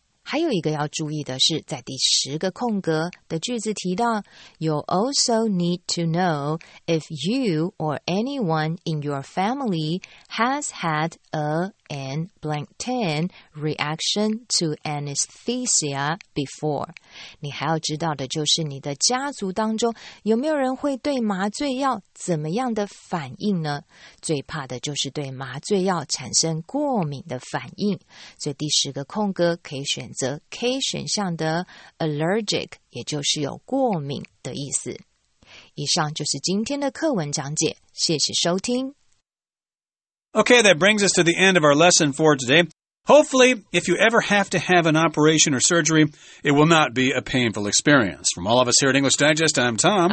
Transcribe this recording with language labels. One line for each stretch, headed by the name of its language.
Chinese: 还有一个要注意的是，在第十个空格的句子提到
English: You also need to know if you or anyone in your family has had an blank 10 reaction to anesthesia before.
Chinese: 你还要知道的就是你的家族当中有没有人会对麻醉药怎么样的反应呢？最怕的就是对麻醉药产生过敏的反应。所以第十个空格可以选择 K 选项的 allergic， 也就是有过敏的意思。以上就是今天的课文讲解，谢谢收听。
English: Okay, that brings us to the end of our lesson for today. Hopefully, if you ever have to have an operation or surgery, it will not be a painful experience. From all of us here at English Digest, I'm Tom.